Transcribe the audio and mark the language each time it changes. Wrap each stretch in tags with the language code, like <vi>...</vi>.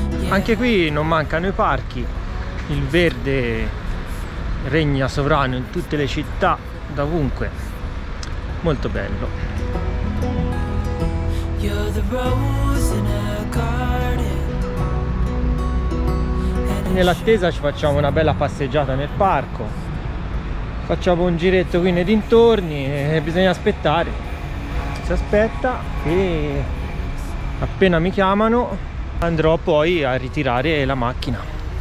<it>Anche qui non mancano i parchi, il verde regna sovrano in tutte le città, dovunque. Molto bello.</it> <en>You're the rose in a garden.</en> <it>Nell'attesa ci facciamo una bella passeggiata nel parco, facciamo un giretto qui nei dintorni e bisogna aspettare. Si aspetta e appena mi chiamano andrò poi a ritirare la macchina.</it>